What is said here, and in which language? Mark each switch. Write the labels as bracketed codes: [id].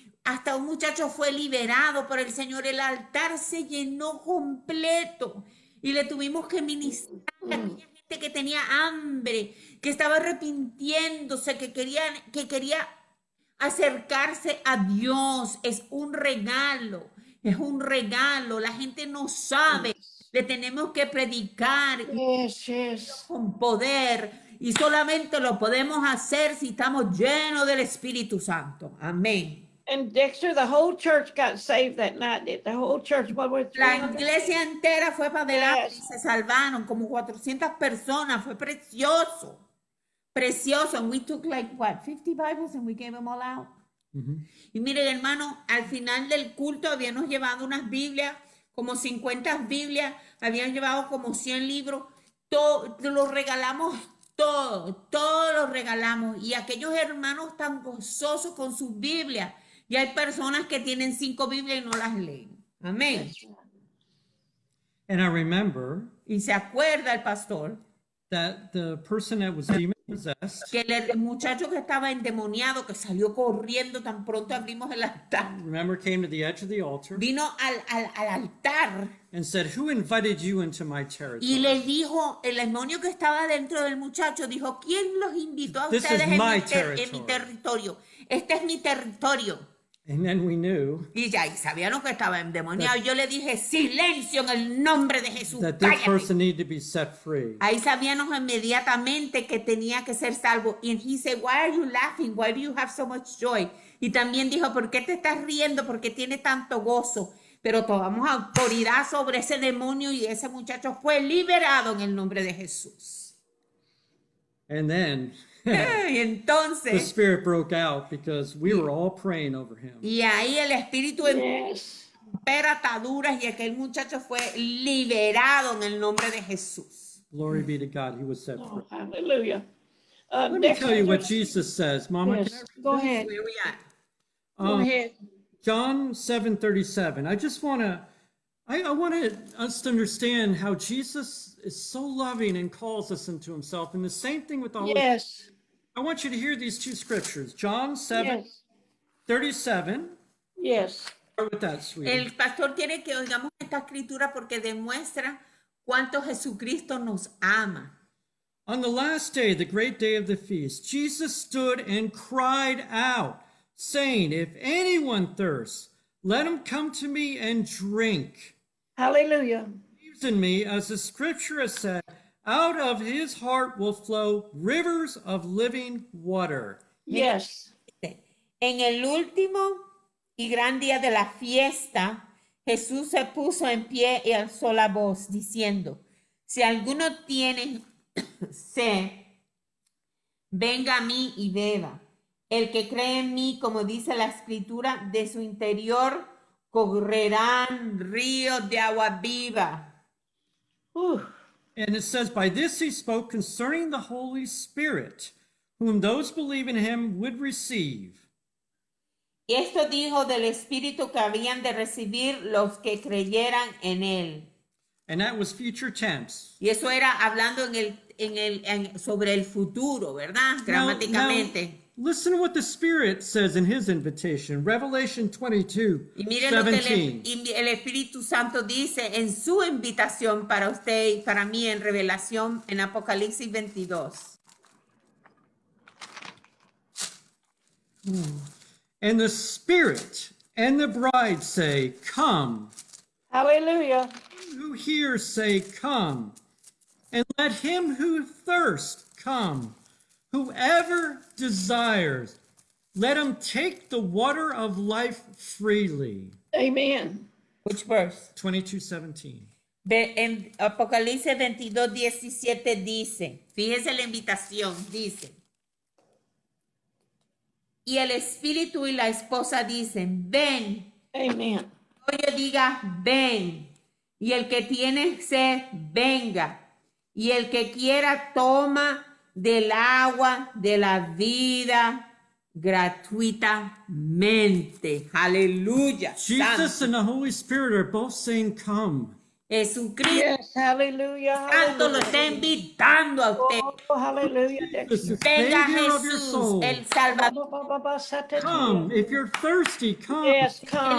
[es] Hasta un muchacho fue liberado por el Señor. El altar se llenó completo y le tuvimos que ministrar a aquella gente que tenía hambre, que estaba arrepintiéndose, que quería acercarse a Dios. Es un regalo, es un regalo. La gente no sabe. Le tenemos que predicar con poder. Y solamente lo podemos hacer si estamos llenos del Espíritu Santo. Amén. [en] And Dexter, the whole church got saved that night. The whole church, what was [es] la iglesia entera fue para adelante, [en] yes. [es] Y se salvaron como 400 personas. Fue precioso, precioso. [en] And we took 50 Bibles and we gave them all out. Mm-hmm. [es] Y miren, hermano, al final del culto habíamos llevado unas Biblias, como 50 Biblias, habían llevado como 100 libros. Todo lo regalamos. Todo lo regalamos. Y aquellos hermanos tan gozosos con sus Biblias. Y hay personas que tienen 5 Biblias y no las leen. Amén. [en] And I remember. [es] Y se acuerda el pastor. [en] That the person that was demon possessed. [es] Que el muchacho que estaba endemoniado, que salió corriendo tan pronto abrimos el altar. [en] Remember, came to the edge of the altar. [es] Vino al altar. [en] And said, who invited you into my territory? [es] Y le dijo, el demonio que estaba dentro del muchacho, dijo, ¿quién los invitó a [en] this [es] ustedes [en] is my [es] en mi territorio? Este es mi territorio. [en] And then we knew. [es] Y ya, y sabían que estaba endemoniado. Yo le dije, silencio en el nombre de Jesús. [en] That this person needed to be set free. [es] Ahí sabían inmediatamente que tenía que ser salvo. [en] And he said, why are you laughing? Why do you have so much joy? [es] Y también dijo, ¿por qué te estás riendo? ¿Por qué tiene tanto gozo? Pero tomamos autoridad sobre ese demonio y ese muchacho fue liberado en el nombre de Jesús. [en] And then. [es] Y entonces, [en] the spirit broke out because we were all praying over him. [es] Y ahí el espíritu rompió ataduras y aquel muchacho fue liberado en el nombre de Jesús. [en] Glory be to God, he was set free. Oh, hallelujah. Let me tell you what Jesus says, Mama. Yes. Can I read go this? Ahead. Where we at? Go ahead. John 7:37. I just want to I want us to understand how Jesus is so loving and calls us into himself. And the same thing with the Holy Spirit. Yes. I want you to hear these two scriptures. John 7, yes. 37. Yes. Start with that, sweetie. [es] El pastor quiere que oigamos esta escritura porque demuestra cuánto Jesucristo nos ama. [en] On the last day, the great day of the feast, Jesus stood and cried out, saying, if anyone thirsts, let him come to me and drink. Hallelujah. Believes in me, as the scripture has said, out of his heart will flow rivers of living water. Yes. [es] En el último y gran día de la fiesta, Jesús se puso en pie y alzó la voz, diciendo, si alguno tiene sed, venga a mí y beba. El que cree en mí, como dice la escritura, de su interior correrán ríos de agua viva. [en] And it says, by this he spoke concerning the Holy Spirit, whom those believe in him would receive. [es] Y esto dijo del Espíritu que habían de recibir los que creyeran en él. [en] And that was future tense. [es] Y eso era hablando en el sobre el futuro, ¿verdad? Gramaticalmente. [en] Listen to what the Spirit says in his invitation, Revelation 22:17. [es] Y mire lo que el Espíritu Santo dice en su invitación para usted y para mí en Revelación en Apocalipsis 22. [en] And the Spirit and the Bride say, come. Hallelujah. Who hears say, come. And let him who thirsts come. Whoever desires, let him take the water of life freely. Amen. Which verse? 22:17. [es] En Apocalipsis 22:17 dice, fíjese la invitación, dice. Y el espíritu y la esposa dicen, ven. Amen. Oye, diga, ven. Y el que tiene sed, venga. Y el que quiera, toma del agua de la vida gratuitamente. [en] Hallelujah. Jesus Santo. And the Holy Spirit are both saying, come. [es] Jesucristo. [en] Yes, hallelujah. [es] Santo lo está invitando a usted. [en] Oh, hallelujah. [es] Venga Jesús, el Salvador. [en] Come. If you're thirsty, come. Yes, come.